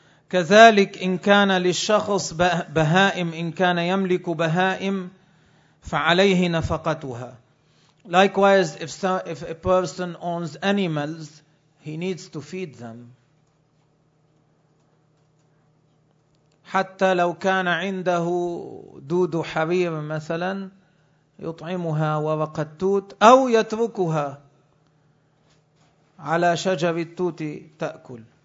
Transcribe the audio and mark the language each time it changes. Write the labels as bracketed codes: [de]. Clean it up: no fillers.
[ar] كذلك إن كان للشخص بهائم، إن كان يملك بهائم فعليه نفقتها. [en] Likewise, if a person owns animals, he needs to feed them. [ar] حتى لو كان عنده دود حرير مثلا يطعمها ورق التوت أو يتركها على شجر التوت تأكل.